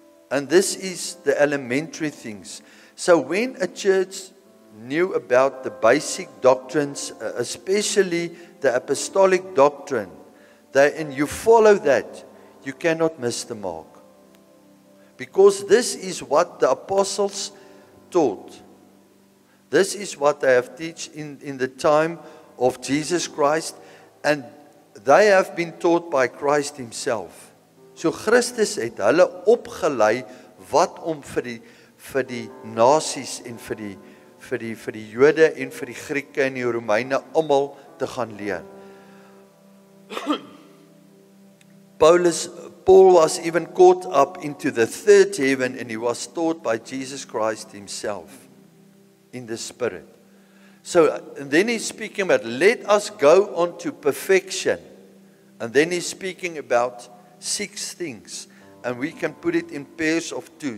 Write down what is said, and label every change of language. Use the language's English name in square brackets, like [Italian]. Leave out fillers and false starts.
[English] And this is the elementary things. So when a church knew about the basic doctrines, especially the apostolic doctrine, that and you follow that, you cannot miss the mark. Because this is what the apostles taught. This is what they have taught in the time of Jesus Christ. And they have been taught by Christ Himself. [Afrikaans] So Christus het hulle opgelei wat om vir die nasies en vir die Jode en vir die Grieke en die Romeine almal te gaan leer. [English] Paul was even caught up into the third heaven and he was taught by Jesus Christ Himself in the Spirit. So and then he's speaking about, let us go on to perfection. And then he's speaking about six things. And we can put it in pairs of two.